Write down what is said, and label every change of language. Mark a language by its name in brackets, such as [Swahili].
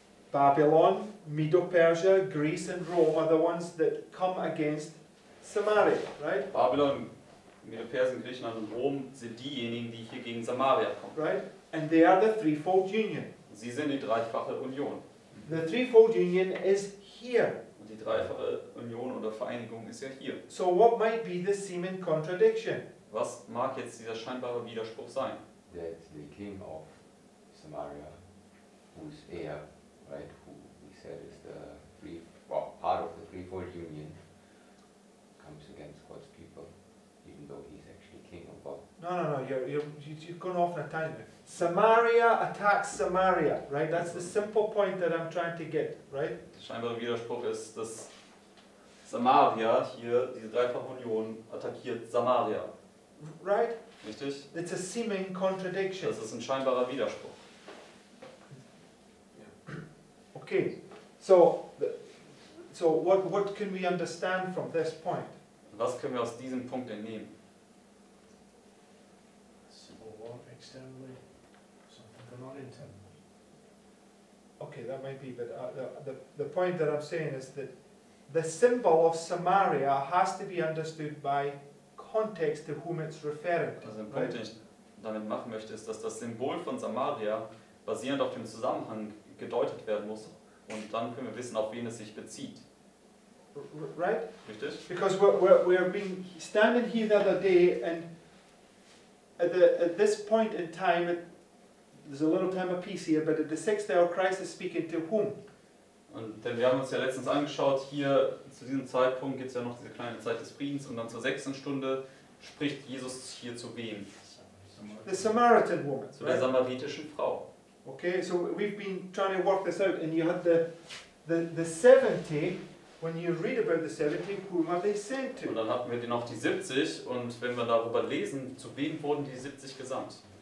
[English] Babylon, Medo-Persia, Greece and Rome are the ones that come against Samaria, right? [German] Babylon, Medo-Persien, Griechenland und Rom sind diejenigen, die hier gegen Samaria kommen. [English] Right? And they are the threefold union. [German] Sie sind die dreifache Union. [English] The threefold union is here. [German] Und die dreifache Union oder Vereinigung ist ja hier. [English] So what might be the seeming contradiction? [German] Was mag jetzt dieser scheinbare Widerspruch sein? [English] That the king of Samaria, who is heir, right, who we said is the three, well, part of the threefold union, comes against God's people, even though he's actually king of God. No, you're going off on a tangent. Samaria attacks Samaria, right? That's the simple point that I'm trying to get, right? [German] Der scheinbare Widerspruch ist, dass Samaria hier, diese dreifache Union, attackiert Samaria. [English] Right? [German] Richtig? [English] It's a seeming contradiction. [German] Das ist ein scheinbarer Widerspruch. [English] Okay, so what can we understand from this point? [German] Was können wir aus diesem Punkt entnehmen? [English] Civil war externally, something going on internally. Okay, that might be, but the point that I'm saying is that the symbol of Samaria has to be understood by context to whom it's referring to. [German] Also ein Punkt, den ich damit machen möchte, ist, dass das Symbol von Samaria basierend auf dem Zusammenhang gedeutet werden muss. Und dann können wir wissen, auf wen es sich bezieht. [English] Right? [German] Richtig? [English] Because we're being standing here the other day, and at this point in time, there's a little time of peace here, but at the sixth hour Christ is speaking to whom? [German] Und denn wir haben uns ja letztens angeschaut, hier zu diesem Zeitpunkt gibt es ja noch diese kleine Zeit des Friedens, und dann zur sechsten Stunde spricht Jesus hier zu wem? [English] The Samaritan woman. [German] Zu der samaritischen Frau. [English] Okay, so we've been trying to work this out, and you had the 70, when you read about the 70, whom are they sent to? [German] Und dann hatten wir noch die 70, und wenn wir darüber lesen, zu wem wurden die 70 gesandt?